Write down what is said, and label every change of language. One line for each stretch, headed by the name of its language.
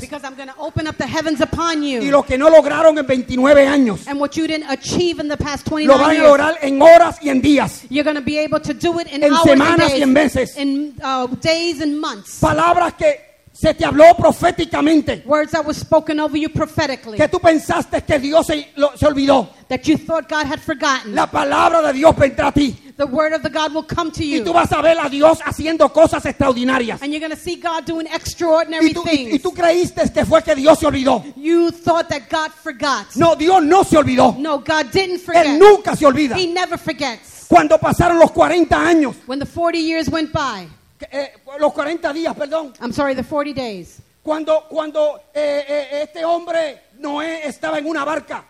English: Because I'm going to open up the heavens upon you.
Spanish: Y lo que no lograron en 29 años.
English: And what you didn't achieve in the past 29 years.
Spanish: Lo van a lograr en horas y en días.
English: You're going to be able to do it in hours and days.
Spanish: En semanas y en meses.
English: In days and months.
Spanish: Palabras que se te habló proféticamente.
English: Words that were spoken over you prophetically.
Spanish: Que tú pensaste que Dios se olvidó.
English: That you thought God had forgotten.
Spanish: La palabra de Dios vendrá a ti.
English: The word of the God will come to you.
Spanish: Y tú vas a ver a Dios haciendo cosas extraordinarias.
English: And you're going to see God doing extraordinary things.
Spanish: Y tú creíste que fue que Dios se olvidó.
English: You thought that God forgot.
Spanish: No, Dios no se olvidó.
English: No, God didn't forget.
Spanish: Él nunca se olvida.
English: He never forgets.
Spanish: Cuando pasaron los 40 años.
English: When the 40 years went by.
Spanish: Los 40 días, perdón.
English: I'm sorry, the 40 days.
Spanish: Cuando este hombre Noé estaba en una barca.